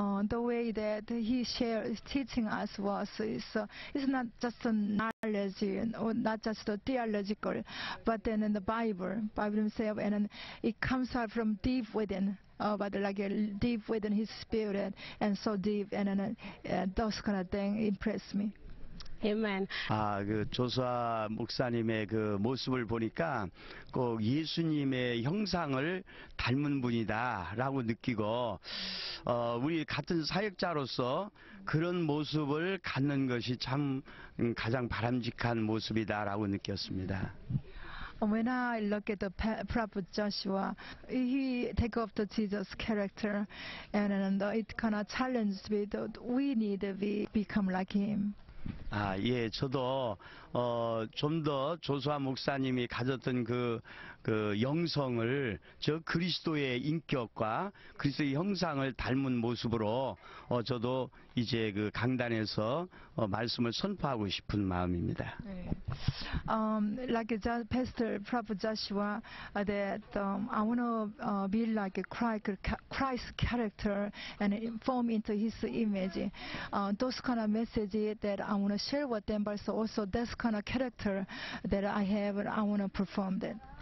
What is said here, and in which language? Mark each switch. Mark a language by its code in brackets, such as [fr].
[en] The way that he shared teaching us was it's not just a knowledge or not just a theological but then in the Bible himself and then it comes out from deep within. But like deep within his spirit and so deep and then those kind of thing impress me. Amen. [ko] 그 조수아 목사님의 그 모습을 보니까 꼭 예수님의 형상을 닮은 분이다라고 느끼고 우리 같은 사역자로서 그런 모습을 갖는 것이 참 가장 바람직한 모습이다라고 느꼈습니다. [en] When I look at the Prophet Joshua, he take up the Jesus character and it kind of challenges me that we need to become like him. [ko] 예, 저도 좀 더 조수아 목사님이 가졌던 그 영성을 저 그리스도의 인격과 그리스도의 형상을 닮은 모습으로 저도 이제 그 강단에서 말씀을 선포하고 싶은 마음입니다. 네. [en] Like a pastor, Prophet Joshua, that I want to be like a Christ character and form into his image. Those kind of message that I want to share with them, but also that kind of character that I have, I want to perform that.